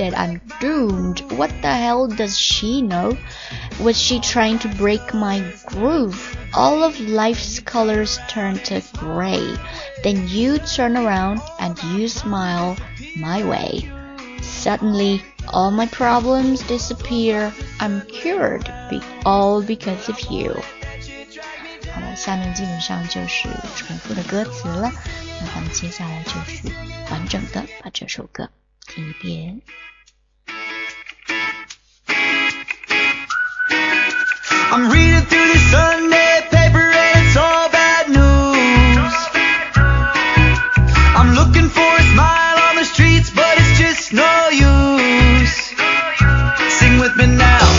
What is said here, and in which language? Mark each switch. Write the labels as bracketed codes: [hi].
[en] What the hell does she know? Was she trying to break my groove? All of life's colors turn to gray. Then you turn around and you smile my way. Suddenly, all my problems disappear. I'm cured, all because of you. [zh] 好了，下面基本上就是重复的歌词了。那咱们接下来就是完整的把这首歌听一遍。 [en] I'm reading through the Sunday paper and it's all bad news. I'm looking for a smile on the streets, but it's just no use. Sing with me now.